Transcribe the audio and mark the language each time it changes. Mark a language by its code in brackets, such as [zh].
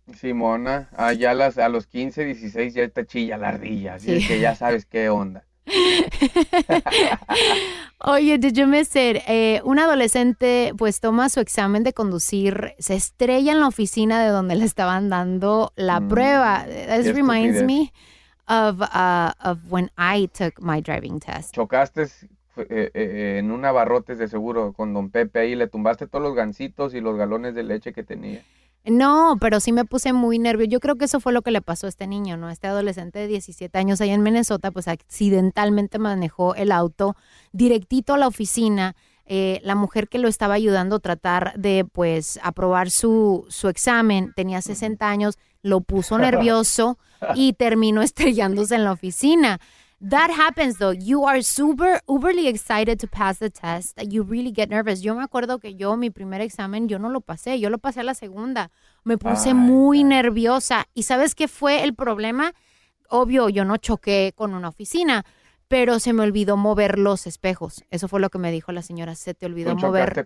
[es] Sí, mona, allá a los 15, 16 ya te chilla la ardilla, así sí. Es que ya sabes qué onda. Oye, [en] did you miss it? [es] Un adolescente pues toma su examen de conducir, se estrella en la oficina de donde le estaban dando la prueba. [en] This reminds me of when I took my driving test. [es] Chocaste en un abarrotes de seguro con Don Pepe ahí, le tumbaste todos los gansitos y los galones de leche que tenía. No, pero sí me puse muy nervioso. Yo creo que eso fue lo que le pasó a este niño, ¿no? Este adolescente de 17 años ahí en Minnesota, pues accidentalmente manejó el auto directito a la oficina. La mujer que lo estaba ayudando a tratar de, pues, aprobar su examen, tenía 60 años, lo puso nervioso y terminó estrellándose en la oficina. [en] That happens, though. You are super, uberly excited to pass the test. You really get nervous. [es] Yo me acuerdo que yo, mi primer examen, yo no lo pasé. Yo lo pasé a la segunda. Me puse muy nerviosa. ¿Y sabes qué fue el problema? Obvio, yo no choqué con una oficina, pero se me olvidó mover los espejos. Eso fue lo que me dijo la señora. Se te olvidó mover